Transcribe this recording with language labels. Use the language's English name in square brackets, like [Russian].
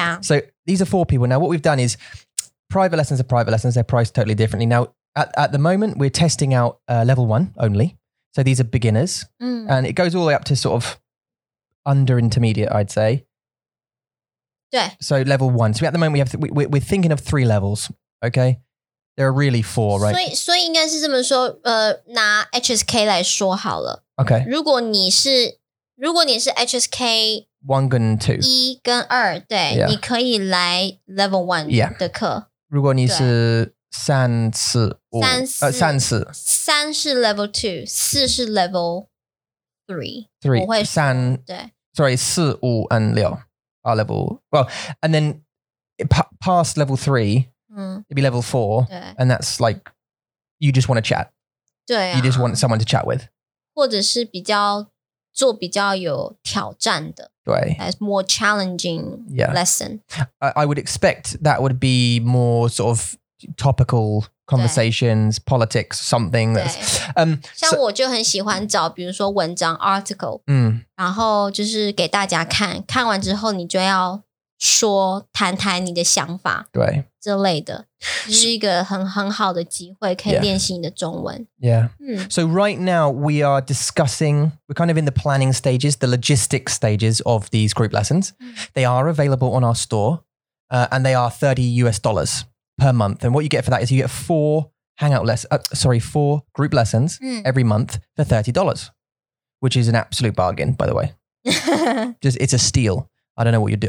[English] So these are four people. Now, what we've done is private lessons are private lessons. They're priced totally differently. Now, at the moment, we're testing out level one only. So these are beginners. Mm. And it goes all the way up to sort of under intermediate, I'd say. So level one. So at the moment, we're thinking of three levels. Okay. There are really four, right? [Chinese] 所以应该是这么说，拿 HSK 来说好了。 [English] OK. [Chinese] 如果你是 HSK 1跟 2. 1跟 2, 对、yeah. 你可以来 level 1、yeah. 的课。如果你是三四。三是 level 2, 四是 level 3. 3, 三。对。 [English] Sorry, [Chinese] 四五 [English] and 六 are level, well, and then past level 3,it'd be level 4, and that's like, you just want to chat. [Chinese] 对啊。 [English] You just want someone to chat with. [Chinese] 或者是比较有挑战的。对。 [English] That's more challenging lesson. I would expect that would be more sort of topical conversations, politics, something. That's, [Chinese] 像我就很喜欢找比如说文章 article, 然后就是给大家看，看完之后你就要说谈谈你的想法，对之类的，是一个很好的机会，可以练习你的中文。 [English] Yeah. So right now we are discussing, we're kind of in the planning stages, the logistics stages of these group lessons. They are available on our store, and they are $30 per month. And what you get for that is you get four group lessons every month for $30, which is an absolute bargain, by the way. Just it's a steal. I don't know what you do.